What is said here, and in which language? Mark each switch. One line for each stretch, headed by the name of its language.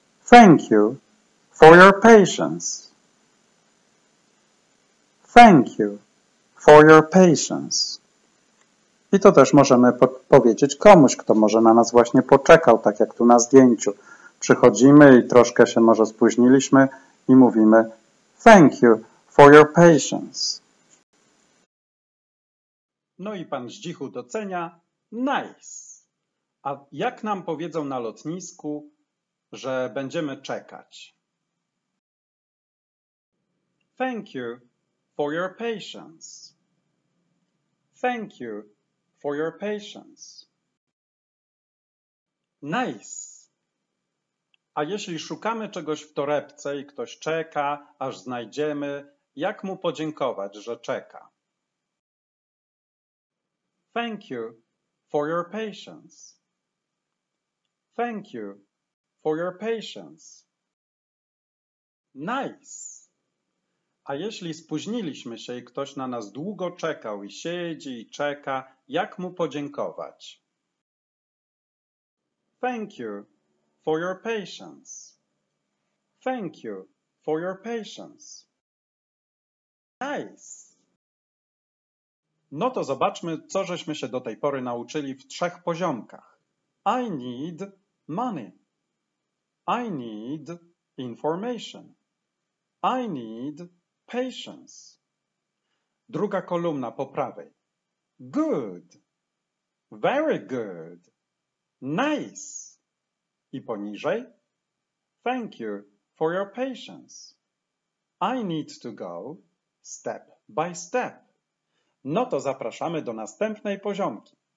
English: Thank you for your patience. Thank you for your patience.
Polish: I to też możemy powiedzieć komuś, kto może na nas właśnie poczekał, tak jak tu na zdjęciu. Przychodzimy i troszkę się może spóźniliśmy. I mówimy
English: thank you for your patience.
Polish: No i pan Zdzichu docenia nice. A jak nam powiedzą na lotnisku, że będziemy czekać?
English: Thank you for your patience. Thank you for your patience. Nice.
Polish: A jeśli szukamy czegoś w torebce i ktoś czeka, aż znajdziemy, jak mu podziękować, że czeka?
English: Thank you for your patience. Thank you for your patience. Nice.
Polish: A jeśli spóźniliśmy się i ktoś na nas długo czekał i siedzi i czeka, jak mu podziękować?
English: Thank you for your patience. Thank you for your patience. Nice.
Polish: No to zobaczmy, co żeśmy się do tej pory nauczyli w trzech poziomkach.
English: I need money. I need information. I need patience.
Polish: Druga kolumna po prawej.
English: Good. Very good. Nice.
Polish: I poniżej.
English: Thank you for your patience. I need to go step by step.
Polish: No to zapraszamy do następnej poziomki.